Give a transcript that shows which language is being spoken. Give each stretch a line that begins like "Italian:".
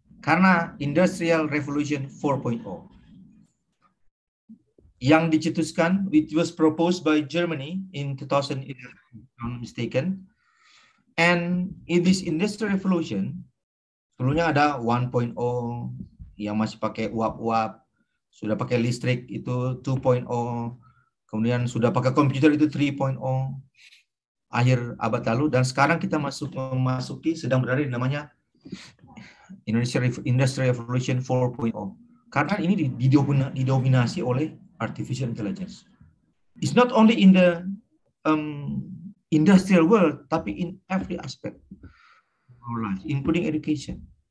Indonesian: Karena Industrial Revolution 4.0 yang dicetuskan,
English: which was proposed by Germany in 2011, if I'm not mistaken. And in this Industrial Revolution,
Indonesian: sebelumnya ada 1.0 yang masih pakai uap-uap, sudah pakai listrik itu 2.0, kemudian sudah pakai komputer itu 3.0, akhir abad lalu, dan sekarang kita memasuki sedang berada di namanya Industrial Revolution 4.0, karena ini didominasi oleh artificial intelligence.
English: It's not only in the industrial world,
Indonesian: tapi
English: in every aspect of our life, including education.